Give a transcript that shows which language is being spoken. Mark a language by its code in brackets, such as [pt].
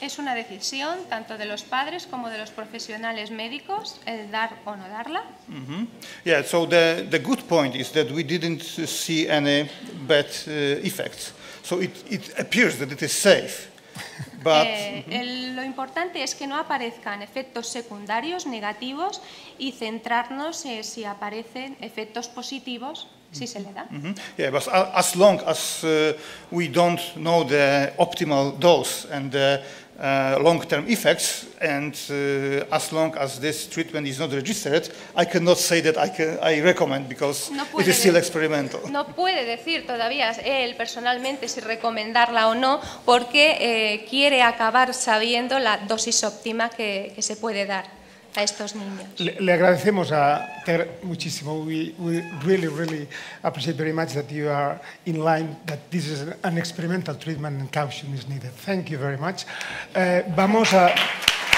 [es] Es una decisión tanto de los padres como de los profesionales médicos el dar o no darla. Mm-hmm. [en] Yeah, so the good point is that we didn't see any bad effects. So it appears that it is safe. But [es] lo importante es que no aparezcan efectos secundarios negativos y centrarnos en si aparecen efectos positivos. Si se le da. Mm-hmm. [en] Yeah, but as long as we don't know the optimal dose and the long-term effects, and as long as this treatment is not registered, I cannot say that I recommend, because it is still experimental. [es] No puede decir todavía él personalmente si recomendarla o no, porque quiere acabar sabiendo la dosis óptima que se puede dar. A estos niños. Le agradecemos a Ter muchísimo. [en] We really, really appreciate very much that you are in line, that this is an experimental treatment and caution is needed. Thank you very much. [es] Vamos a...